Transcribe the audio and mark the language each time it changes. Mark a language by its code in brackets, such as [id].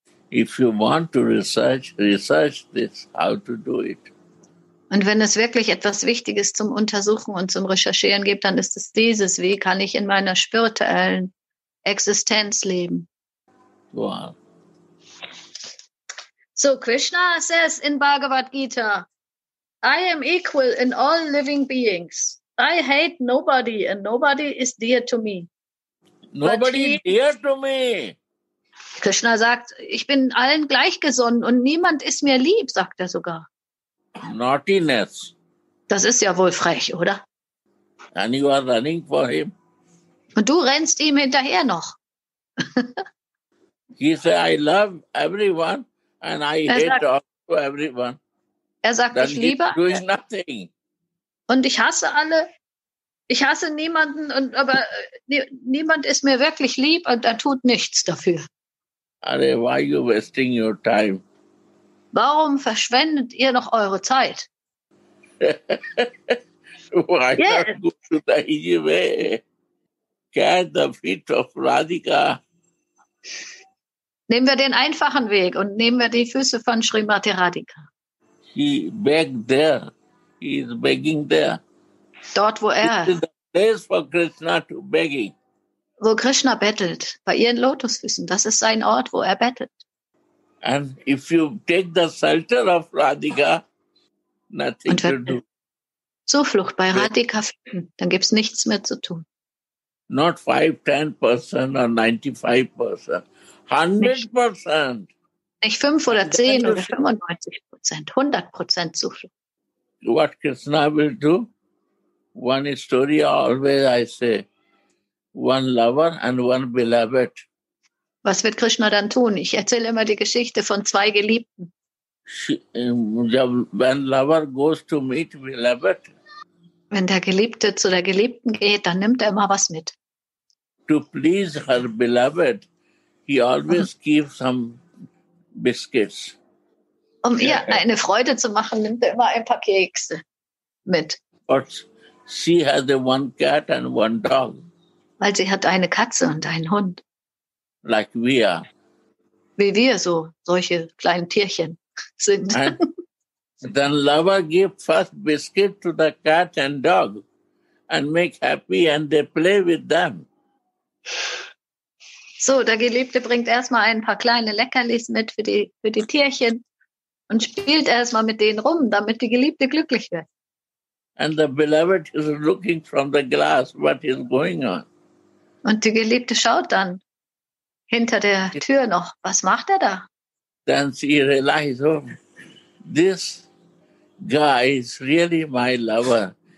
[en] If you want to research, research this, how to do it. [de] Und wenn es wirklich etwas Wichtiges zum Untersuchen und zum Recherchieren gibt, dann ist es dieses, wie kann ich in meiner spirituellen Existenz leben? [en] Wow. So, Krishna says in Bhagavad Gita, I am equal in all living beings. I hate nobody and nobody is dear to me. [de] Krishna sagt, ich bin allen gleichgesonnen und niemand ist mir lieb, sagt er sogar. [en] Naughtiness. [de] Das ist ja wohl frech, oder? [en] And you are running for him. [de] Und du rennst ihm hinterher noch. [en] He said, I love everyone and I hate also everyone. [de] Er sagt, [en] then [de] ich liebe [en] doing nothing. [de] Und ich hasse alle. Ich hasse niemanden, aber niemand ist mir wirklich lieb und er tut nichts dafür. [en] Are, why are you wasting your time? [de] Warum verschwendet ihr noch eure Zeit? [en] Why yes. Not go to the Hijime? Catch the feet of Radhika. [de] Nehmen wir den einfachen Weg und nehmen wir die Füße von Srimati Radhika. [en] He begged there. He is begging there. [de] Dort, wo er, [en] this is the place for Krishna to begging. [de] Wo Krishna bettelt, bei ihren Lotusfüßen, das ist sein Ort, wo er bettelt. [en] And if you take the shelter of Radhika, nothing to do. [de] Zuflucht bei Radhika finden, dann gibt's nichts mehr zu tun. [en] Not 5-10% or 95%, 100%. [de] Nicht 5 oder 10 oder 95%, 100% Zuflucht. [en] What Krishna will do? One story always I say, one lover and one beloved. [de] Was wird Krishna dann tun? Ich erzähle immer die Geschichte von zwei Geliebten. [en] When lover goes to meet beloved. [de] Wenn der Geliebte zu der Geliebten geht, dann nimmt er immer was mit. [en] To please her beloved, he always gives some biscuits. [de] Um ihr eine Freude zu machen, nimmt er immer ein paar Kekse mit. [en] She has one cat and one dog. [de] Weil sie hat eine Katze und einen Hund. [en] Like we are. [de] Wie wir so, solche kleinen Tierchen sind. And [en] then lover give first biscuit to the cat and dog and make happy and they play with them. [de] So, der Geliebte bringt erstmal ein paar kleine Leckerlis mit für die Tierchen und spielt erstmal mit denen rum, damit die Geliebte glücklich wird. [en] And the beloved is looking from the glass what is going on. [de] Und die Geliebte schaut dann hinter der Tür noch. Was macht er da? [en] Then she realizes, oh, this guy is really my lover.